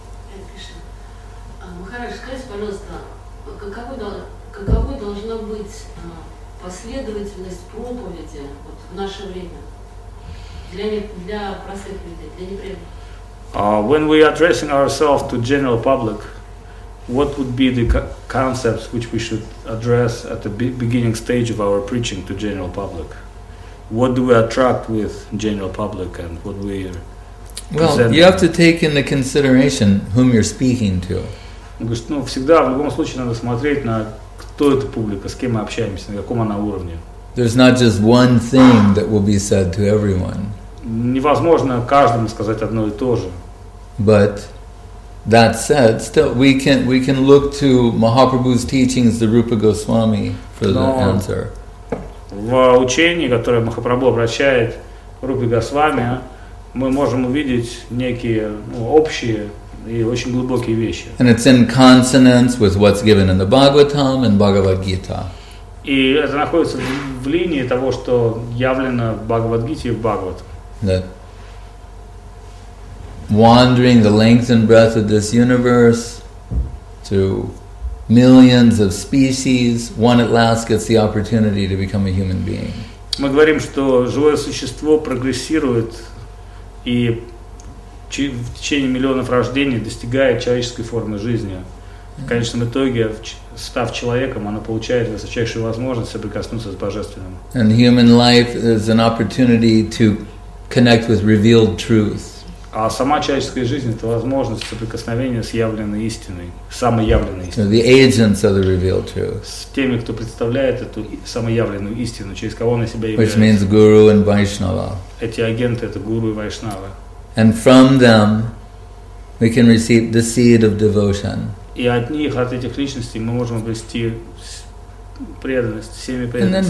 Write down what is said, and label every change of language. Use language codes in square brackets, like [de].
[ru] Кришна, Махарадж, скажите, пожалуйста, каково должна быть последовательность проповеди вот, в наше время для простых людей, для непреданных? [en] When we are addressing ourselves to general public, what would be the concepts which we should address at the beginning stage of our preaching to general public? What do we attract with general public and what we present? Well, you have to take into consideration whom you're speaking to. [ru] Ну, всегда, в любом случае, надо смотреть на кто эта публика, с кем мы общаемся, на каком она уровне. [en] There's not just one thing that will be said to everyone. [ru] Невозможно каждому сказать одно и то же. [en] But that said, still we can look to Mahaprabhu's teachings, the Rupa Goswami, for the answer. [ru] В учении, которое Махапрабху обращает Рупе Госвами, мы можем увидеть некие общие и очень глубокие вещи. [en] And it's in consonance with what's given in the Bhagavatam and Bhagavad Gita. [ru] И это находится в линии того, что явлено в Бхагавадгите и в Бхагаватам. [en] That wandering the length and breadth of this universe through millions of species, one at last gets the opportunity to become a human being. [ru] Мы говорим, что живое существо прогрессирует и в течение миллионов рождений достигает человеческой формы жизни. В конечном итоге, став человеком, оно получает высочайшую возможность соприкоснуться с Божественным. [en] And human life is an opportunity to connect with revealed truth. [ru] А сама человеческая жизнь — это возможность соприкосновения с явленной истиной, самоявленной истиной. [en] The agents of the revealed truth. [ru] С теми, кто представляет эту самоявленную истину, через кого на себя является. [en] Which means guru and Vaishnava. [ru] Эти агенты — это гуру и вайшнава. [en] And from them we can receive the seed of devotion. [ru] И от них, от этих личностей, мы можем обрести преданность, семя преданности.